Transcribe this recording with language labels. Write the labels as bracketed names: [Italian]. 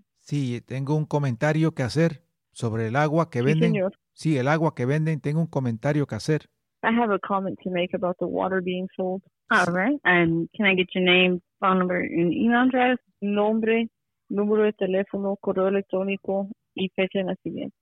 [Spanish] Sí, tengo un comentario que hacer sobre el agua que venden. Sí, el agua que venden. Tengo un comentario que hacer. [English] I have a comment to make about the water being sold. All right. And can I get your name, phone number, and email address? [Spanish] Nombre, número de teléfono, correo electrónico y fecha de nacimiento.